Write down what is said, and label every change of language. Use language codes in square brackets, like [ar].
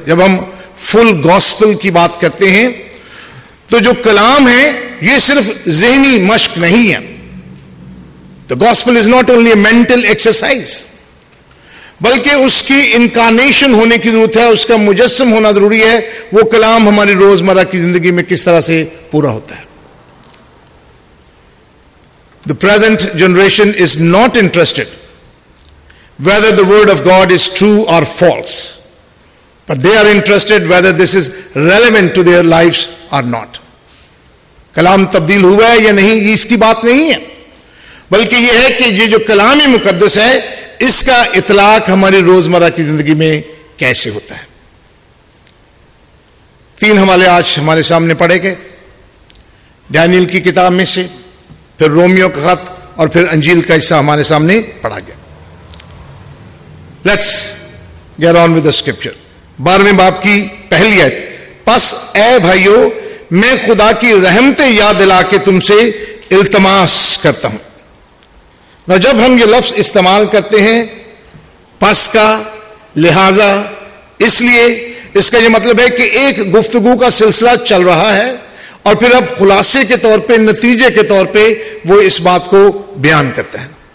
[ur] جب ہم فل گاسپل کی بات کرتے ہیں تو جو کلام ہے یہ صرف ذہنی مشق نہیں ہے. [en] The gospel is not only a mental exercise [ur] بلکہ اس کی انکارنیشن ہونے کی ضرورت ہے, اس کا مجسم ہونا ضروری ہے. وہ کلام ہماری روزمرہ کی زندگی میں کس طرح سے پورا ہوتا ہے. [en] The present generation is not interested whether the word of God is true or false, but they are interested whether this is relevant to their lives or not. [ur] کلام تبدیل ہوا ہے یا نہیں یہ اس کی بات نہیں ہے, بلکہ یہ ہے کہ یہ جو کلام مقدس ہے اس کا اطلاق ہماری روزمرہ کی زندگی میں کیسے ہوتا ہے. تین حوالے آج ہمارے سامنے پڑے گئے, ڈینیل کی کتاب میں سے, پھر رومیو کا خط, اور پھر انجیل کا حصہ ہمارے سامنے پڑھا گیا. [en] Let's get on with the scripture. [ur] 12 باب کی پہلی آیت, پس اے بھائیو میں خدا کی رحمتیں یاد دلا کے تم سے التماس کرتا ہوں. نہ جب ہم یہ لفظ استعمال کرتے ہیں پس کا، لہذا، اس لیے، اس کا یہ مطلب ہے کہ ایک گفتگو کا سلسلہ چل رہا ہے اور پھر اب خلاصے کے طور پہ، نتیجے کے طور پہ وہ اس بات کو بیان کرتا ہے.